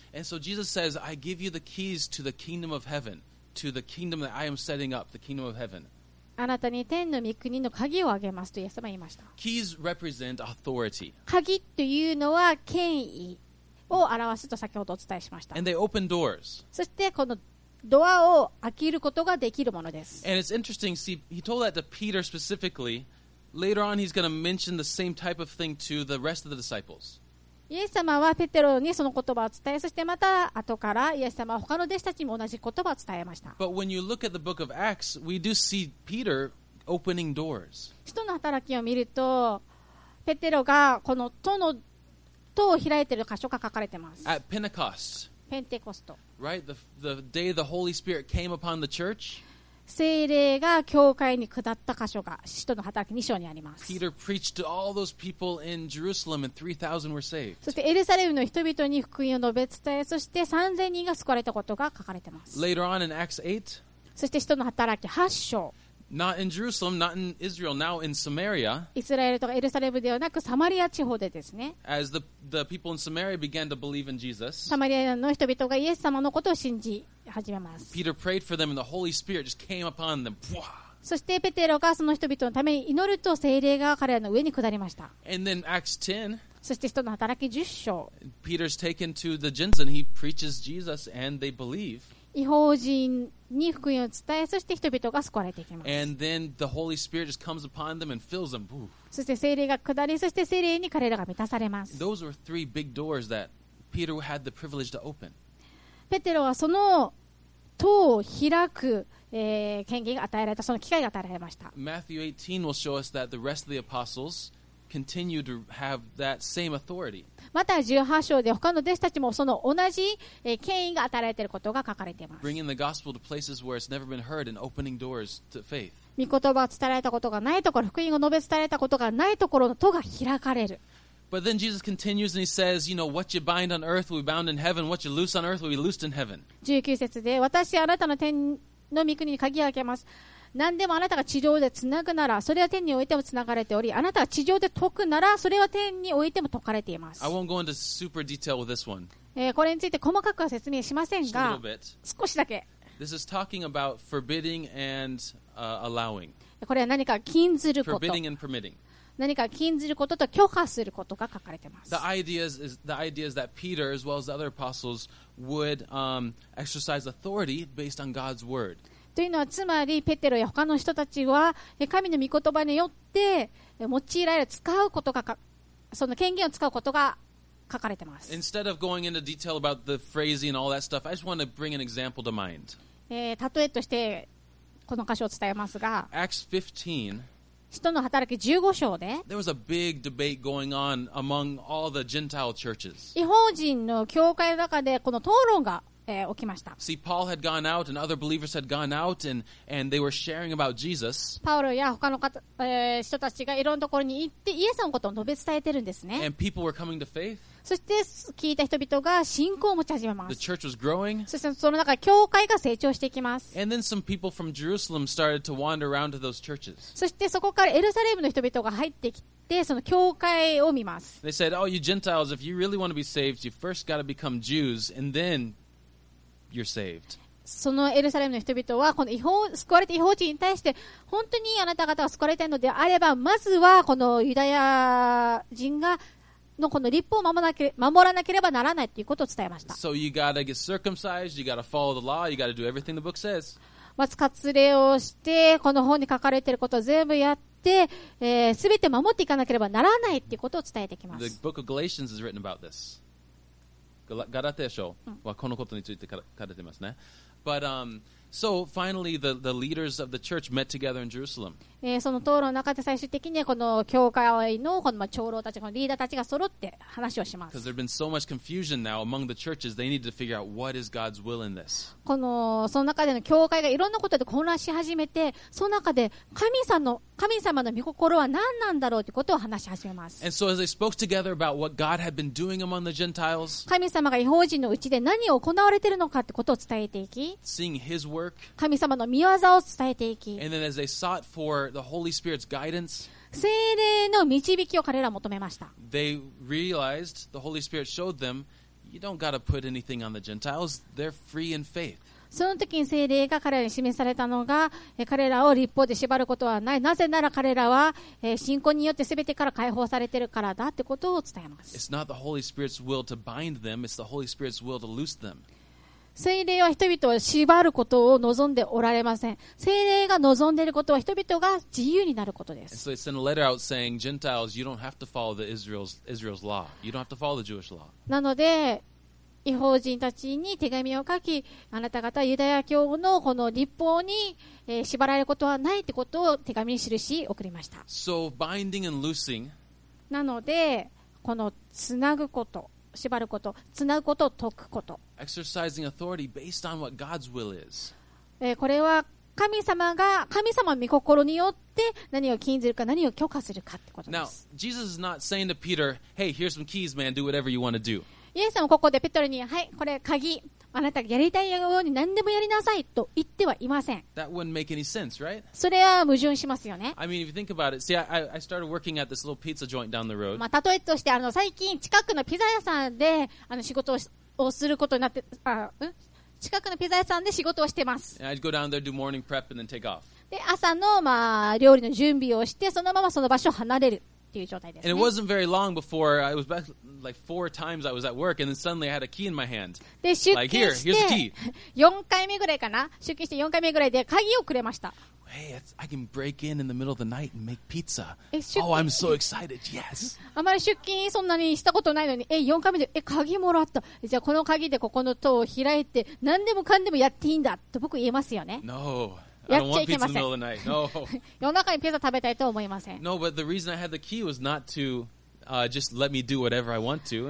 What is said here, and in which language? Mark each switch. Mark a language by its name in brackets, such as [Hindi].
[English] And so Jesus says, I give you the keys to the kingdom of heaven. To the kingdom that I am setting up, the kingdom of heaven. [Japanese] あなたに天の御国の鍵をあげますとイエス様は言いました。 [English] Keys represent authority. [Japanese] 鍵というのは権威を表すと先ほどお伝えしました。 [English] And they open doors. [Japanese] そしてこのドアを開けることができるものです。 [English] And it's interesting. See, he told that to Peter specifically. Later on, he's going to mention the same type of thing to the rest of the disciples. [Japanese] イエス様はペテロにその言葉を伝え、そしてまた後からイエス様は他の弟子たちにも同じ言葉を伝えました。 [English] But when you look at the book of Acts, we do see Peter opening doors. [Japanese] 使徒の働きを見ると、ペテロがこの戸を開いている箇所が書かれています。 [English] At Pentecost. [Japanese] ペンテコスト。 [English] Right, the day the Holy Spirit came upon the church. [Japanese] 聖霊が教会に下った箇所が使徒の働き2章にあります。 [English] Peter preached to all those people in Jerusalem and 3,000 were saved. [Japanese] そしてエルサレムの人々に福音を述べ伝え、そして3000人が救われたことが書かれています。 [English] Later on in Acts 8, [Japanese] そして使徒の働き8章。 [English] Not in Jerusalem, not in Israel, now in Samaria. [Japanese] イスラエルとかエルサレムではなくサマリア地方でですね。 [English] As the people in Samaria began to believe in Jesus. [Japanese] サマリアの人々がイエス様のことを信じ始めます。 [English] Peter prayed for them and the Holy Spirit just came upon them. [Japanese] そしてペテロがその人々のために祈ると聖霊が彼らの上に下りました。 [English] And then Acts 10. [Japanese] そして人の働き10章。 [English] Peter's taken to the Gentiles and he preaches Jesus and they believe. [Japanese] 異邦人に福音を伝え、そして人々が救われていきます。 [English] And then the Holy Spirit just comes upon them and fills them. [Japanese] そして聖霊が下り、そして聖霊に彼らが満たされます。 [English] Those were three big doors that Peter had the privilege to open. [Japanese] ペテロはその戸を開く、権限が与えられた、その機会が与えられました。 [English] Matthew 18 will show us that the rest of the apostles continue to have that same authority. [Japanese] また18章で他の弟子たちもその同じ権威が与えられていることが書かれています。 [English] Bringing the gospel to places where it's never been heard and opening doors to faith. [Japanese] 御言葉を伝えられたことがないところ、福音を述べ伝えられたことがないところの戸が開かれる。 [English] But then Jesus continues and he says, you know, what you bind on earth will be bound in heaven, what you loose on earth will be loosed in heaven. [Japanese] 19節で、私はあなたの天の御国に鍵を開けます。何でもあなたが地上でつなぐならそれは天においてもつながれておりあなたが地上で解くならそれは天においても解かれています。 [English] I won't go into super detail with this one. [Japanese] これについて細かくは説明しませんが少しだけ [English] This is talking about forbidding and, allowing. [Japanese] これは何か禁ずること [English] forbidding and permitting. [Japanese] 何か禁ずることと許可することが書かれています。 [English] The idea is that Peter as well as the other apostles would exercise authority based on God's word. [Japanese] というのはつまりペテロや他の人たちは神の御言葉によって用いられる使うことがその権限を使うことが書かれてます。 [English] Instead of going into detail about the phrasing and all that stuff, I just want to bring an example to mind. [Japanese] 例えとしてこの箇所を伝えますが、 [English] Acts 15, [Japanese] 使徒の働き15章で、 [English] There was a big debate going on among all the Gentile churches. [Japanese] 異邦人の教会の中でこの討論が起きました。 [English] See, Paul had gone out and other believers had gone out and they were sharing about Jesus. [Japanese] パウロや他の人たちがいろんなところに行ってイエスのことを述べ伝えてるんですね。 [English] And people were coming to faith. [Japanese] そして聞いた人々が信仰を持ち始めます。 [English] The church was growing. [Japanese] そしてその中で教会が成長していきます。 [English] And then some people from Jerusalem started to wander around to those churches. [Japanese] そしてそこからエルサレムの人々が入ってきてその教会を見ます。 [English] They said, oh, you Gentiles, if you really want to be saved, you first got to become Jews and thenYou're saved. [Japanese] そのエルサレムの人々はこの救われた異邦人に対して本当にあなた方が救われたいのであればまずはこのユダヤ人がのこの律法を守らなければならないということを伝えました。 [English] So you gotta get circumcised, you gotta follow the law, you gotta do everything the book says. [Japanese] まず割礼をしてこの本に書かれていることを全部やって、全て守っていかなければならないということを伝えてきます。 [English] The book of Galatians is written about this. [Japanese] ガラテア書はこのことについて書いてますね。 [English] But, so finally the leaders of the church met together in Jerusalem. [Japanese] その討論の中で最終的にこの教会のこの長老たち、このリーダーたちが揃って話をします。 [English] Because there's been so much confusion now among the churches, they need to figure out what is God's will in this. [Japanese] このその中での教会がいろんなことで混乱し始めて、その中で神様の御心は何なんだろうということを話し始めます。 [English] And so as they spoke together about what God had been doing among the Gentiles, [Japanese] 神様が異邦人のうちで何を行われているのかということを伝えていき、 [English] Seeing His work, [Japanese] 神様の御業を伝えていき、 [English] And then as they sought for the Holy Spirit's guidance, [Japanese] 聖霊の導きを彼らは求めました。 [English] They realized, the Holy Spirit showed them, you don't got to put anything on the Gentiles, they're free in faith. [Japanese] その時に聖霊が彼らに示されたのが、彼らを律法で縛ることはない。なぜなら彼らは、信仰によって全てから解放されているからだってことを伝えます。 [English] It's not the Holy Spirit's will to bind them, it's the Holy Spirit's will to loose them. [Japanese] 聖霊は人々を縛ることを望んでおられません。聖霊が望んでいることは人々が自由になることです。 [English] And so they sent a letter out saying, Gentiles, you don't have to follow the Israel's law. You don't have to follow the Jewish law. [Japanese] なので、異邦人たちに手紙を書き、あなた方はユダヤ教のこの律法に、縛られることはないってことを手紙に記し送りました。 [English] So, binding and loosing, [Japanese] なので、このつなぐこと、縛ること、つなぐこと、解くこと。 [English] Exercising authority based on what God's will is. [Japanese] これは神様の御心によって何を禁ずるか何を許可するかってことです。 [English] Now, Jesus is not saying to Peter, hey, here's some keys, man, do whatever you want to do. [Japanese] イエス様はここでペトロに、はい、これ鍵、あなたがやりたいように何でもやりなさいと言ってはいません。 [English] That wouldn't make any sense, right? [Japanese] それは矛盾しますよね。 [English] I mean, if you think about it, see, I started working at this little pizza joint down the road. [Japanese] まあ、例えとして、最近近くのピザ屋さんで仕事をすることになって、近くのピザ屋さんで仕事をしてます。 [English] And I'd go down there, do morning prep, and then take off. [Japanese] で、朝の、まあ、料理の準備をして、そのままその場所を離れる。ね、 [English] and it wasn't very long before I was back like four times I was at work and then suddenly I had a key in my hand. [Japanese] で出勤して、 [English] like, here, here's the key. [Japanese] 4回目ぐらいかな出勤して4回目ぐらいで鍵をくれました。 [English] Hey, I can break in the middle of the night and make pizza. Oh, I'm so excited. Yes. [Japanese] あまり出勤そんなにしたことないのに、4回目で鍵もらった。じゃあこの鍵でここの塔を開いて何でもかんでもやっていいんだと僕言えますよね。 [English] No. [Japanese] やっちゃいけません。夜中にピザ食べたいと思いません。 [English] No, but the reason I had the key was not to, just let me do whatever I want to.